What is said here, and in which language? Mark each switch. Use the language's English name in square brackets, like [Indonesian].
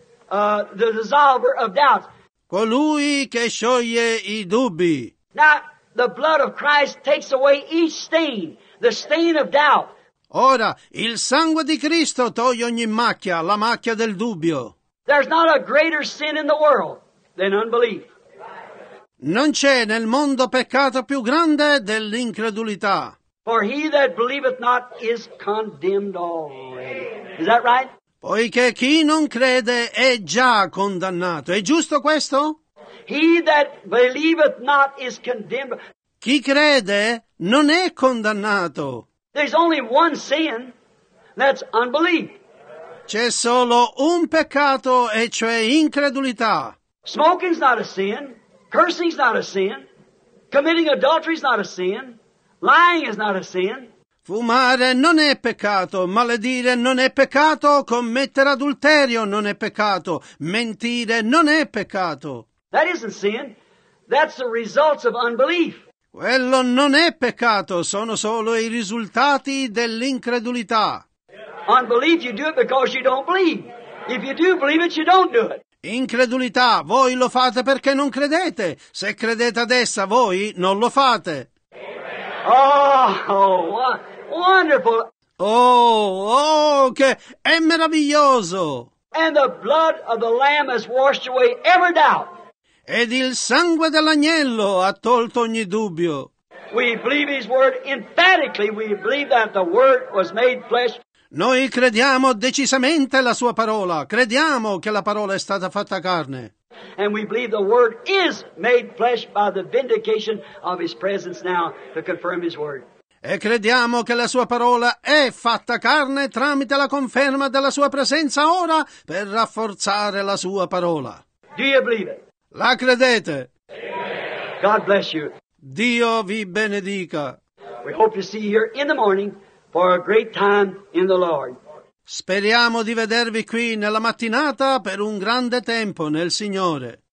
[English] The dissolver of doubts. [Italian] Colui che scioglie i dubbi. [English] Now, the blood of Christ takes away each stain, the stain of doubt. [Italian] Ora, il sangue di Cristo toglie ogni macchia, la macchia del dubbio. [English] There's not a greater sin in the world than unbelief. [Italian] Non c'è nel mondo peccato più grande dell'incredulità. [English] For he that believeth not is condemned already. Is that right? [Italian] Poiché chi non crede è già condannato. È giusto questo? [English] He that believeth not is condemned. [Italian] Chi crede non è condannato. [English] There's only one sin, that's unbelief. [Italian] C'è solo un peccato e cioè incredulità. [English] Smoking's not a sin. Cursing's not a sin. Committing adultery's not a sin. Lying is not a sin. [Italian] Fumare non è peccato. Maledire non è peccato. Commettere adulterio non è peccato. Mentire non è peccato. [English] That isn't sin. That's the results of unbelief. [Italian] Quello non è peccato. Sono solo i risultati dell'incredulità. [English] Unbelief, you do it because you don't believe. If you do believe it, you don't do it. [Italian] Incredulità, voi lo fate perché non credete. Se credete ad essa, voi non lo fate. [English] Oh, wonderful. [Italian] Oh, che è meraviglioso. [English] And the blood of the Lamb has washed away every doubt. [Italian] Ed il sangue dell'agnello ha tolto ogni dubbio. [English] We believe his word emphatically. We believe that the word was made flesh. [Italian] Noi crediamo decisamente la sua parola. Crediamo che la parola è stata fatta carne. [English] And we believe the word is made flesh by the vindication of his presence now to confirm his word. [Italian] E crediamo che la sua parola è fatta carne tramite la conferma della sua presenza ora per rafforzare la sua parola. [English] Do you believe it? [Italian] La credete? [English] Amen. God bless you. [Italian] Dio vi benedica. [English] We hope to see you here in the morning. For a great time in the Lord. [Italian] Speriamo di vedervi qui nella mattinata per un grande tempo nel Signore.